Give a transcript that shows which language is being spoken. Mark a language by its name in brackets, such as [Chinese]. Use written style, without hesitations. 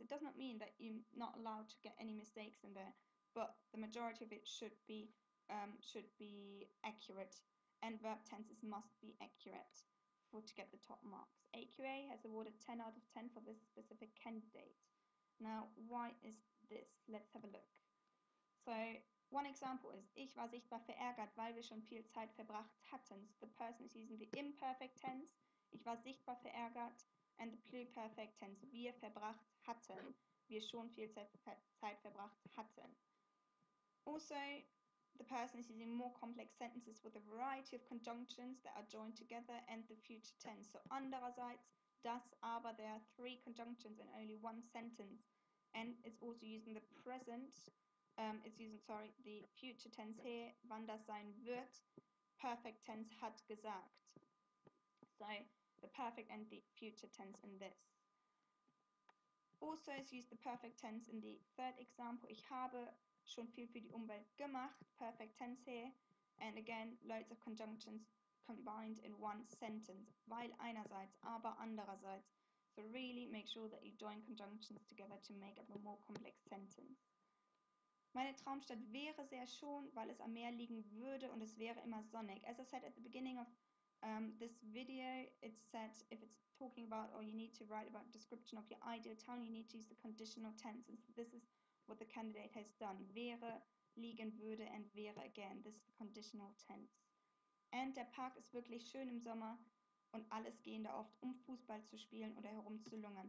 [English] It does not mean that you're not allowed to get any mistakes in there, but the majority of it should be accurate, and verb tenses must be accurate for to get the top marks. AQA has awarded 10 out of 10 for this specific candidate. Now, why is this? Let's have a look. So One example is, [German] ich war sichtbar verärgert, weil wir schon viel Zeit verbracht hatten. [English] So the person is using the imperfect tense, [German] ich war sichtbar verärgert, [English] and the pluperfect tense, [German] wir verbracht hatten, wir schon viel Zeit verbracht hatten. [English] Also, the person is using more complex sentences with a variety of conjunctions that are joined together and the future tense. So, [German] andererseits, das aber, [English] there are three conjunctions in only one sentence. And it's also using the present, the future tense here, [German] wann das sein wird, [English] perfect tense [German] hat gesagt. [English] So, the perfect and the future tense in this. Also, it's used the perfect tense in the third example, [German] ich habe schon viel für die Umwelt gemacht, [English] perfect tense here, and again, loads of conjunctions combined in one sentence, [German] weil einerseits, aber andererseits. [English] So really make sure that you join conjunctions together to make up a more complex sentence. [German] Meine Traumstadt wäre sehr schön, weil es am Meer liegen würde und es wäre immer sonnig. [English] As I said at the beginning of this video, it said if it's talking about or you need to write about description of your ideal town, you need to use the conditional tense. And so this is what the candidate has done. [German] Wäre, liegen würde [English] and wäre again. This is the conditional tense. And [German] der Park ist wirklich schön im Sommer und alles gehen da oft, Fußball zu spielen oder herumzulungern.